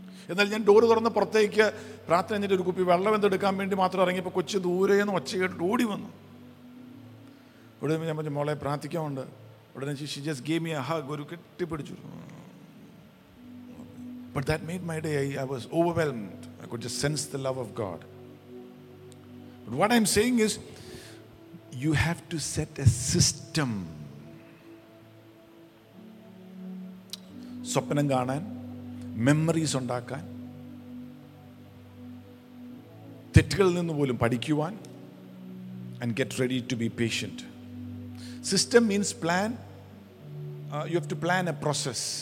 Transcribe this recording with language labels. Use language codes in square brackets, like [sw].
[ml] എന്നാൽ ഞാൻ ഡോറ് തുറന്ന് പുറത്തേക്ക് പ്രാർത്ഥന കഴിഞ്ഞിട്ട് ഒരു കുപ്പി വെള്ളം എന്തെടുക്കാൻ വേണ്ടി മാത്രം ഇറങ്ങിയപ്പോൾ കൊച്ചു ദൂരെയെന്ന് ഒച്ചയായിട്ട് ഓടി വന്നു. ഓടി ഞാൻ പറഞ്ഞു, മോളെ പ്രാർത്ഥിക്കാമുണ്ട്. ഉടനെ [en] she just gave me a hug, [ml] ഒരു കെട്ടിപ്പിടിച്ചു. [en] But that made my day. I was overwhelmed. I could just sense the love of God. But what I'm saying is, you have to set a system. [ml] സ്വപ്നം കാണാൻ, memories ഉണ്ടാക്കാൻ, തെറ്റുകളിൽ നിന്ന് പോലും പഠിക്കുവാൻ, [en] and get ready to be patient. System means plan. You have to plan a process.